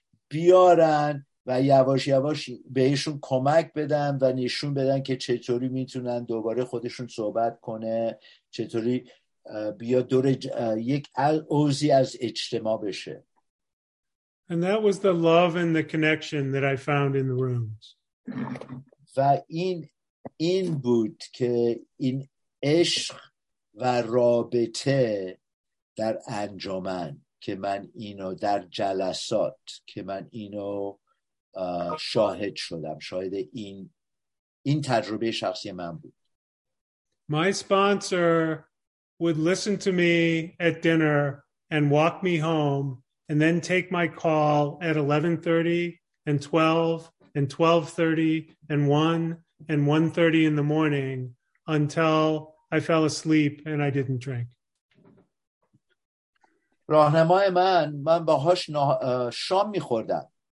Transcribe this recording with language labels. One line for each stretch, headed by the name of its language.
Persian: بیارن و یواش یواش بهشون کمک بدن و نشون بدن که چطوری میتونن دوباره خودشون صحبت کنه چطوری بیا دور یک عضوی از اجتماع بشه.
English: And that was the love and the connection that I found in the rooms.
Persian: و این بود که این عشق و رابطه در انجمن که من اینو در جلسات که من اینو شاهد شدم شاهد این تجربه شخصی من بود.
English: My sponsor would listen to me at dinner and walk me home and then take my call at 11:30 and 12 and 12:30 and 1 and 1:30 in the morning until I fell asleep and I didn't drink.
Persian: راهنمای من باهاش شام می‌خوردم.